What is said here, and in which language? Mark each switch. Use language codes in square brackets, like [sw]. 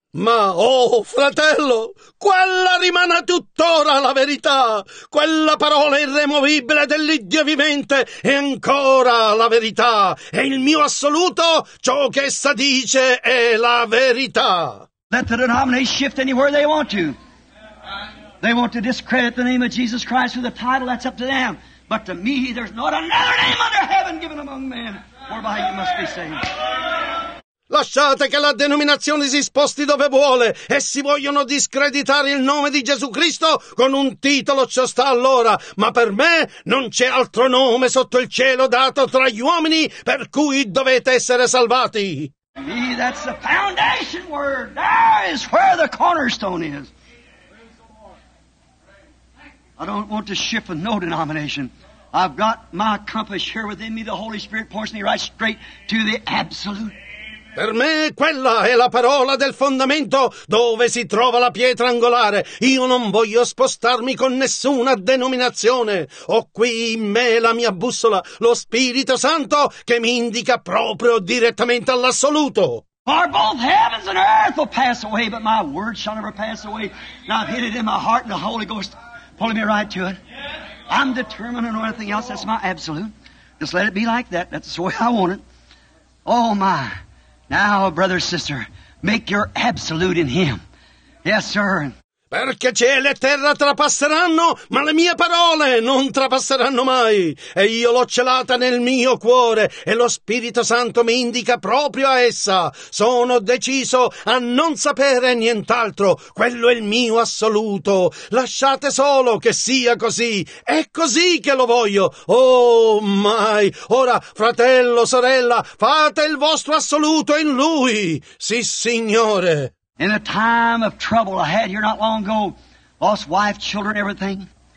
[it] Ma, oh, fratello, quella rimane tuttora la verità. Quella parola irremovibile dell'Iddio vivente è ancora la verità. E il mio assoluto, ciò che essa dice è la verità. [en] Let the denominations shift anywhere they want to. They want to discredit the name of Jesus Christ with a title, that's up to them. But to me, there's not another name under heaven given among men whereby you must be saved. [it] Lasciate che la denominazione si sposti dove vuole. Essi vogliono discreditare il nome di Gesù Cristo con un titolo, ciò sta allora. Ma per me non c'è altro nome sotto il cielo dato tra gli uomini per cui dovete essere salvati. [en] Me, that's the foundation word. There is where the cornerstone is. I don't want to shift with no denomination. I've got my compass here within me. The Holy Spirit points me right straight to the absolute. [it] Per me quella è la parola del fondamento dove si trova la pietra angolare. Io non voglio spostarmi con nessuna denominazione. Ho qui in me la mia bussola, lo Spirito Santo che mi indica proprio direttamente all'assoluto. [en] For both heavens and earth will pass away, but my word shall never pass away. Now I've hid it in my heart and the Holy Ghost pulling me right to it. I'm determined on anything else. That's my absolute. Just let it be like that. That's the way I want it. Oh my. Now, brother, sister, make your absolute in him. Yes, sir. [it] Perché cielo e terra trapasseranno, ma le mie parole non trapasseranno mai. E io l'ho celata nel mio cuore, e lo Spirito Santo mi indica proprio a essa. Sono deciso a non sapere nient'altro. Quello è il mio assoluto. Lasciate solo che sia così. È così che lo voglio. Oh, mai. Ora, fratello, sorella, fate il vostro assoluto in lui. Sì, signore. [en] In a time of trouble I had here not long ago, lost wife, children, everything.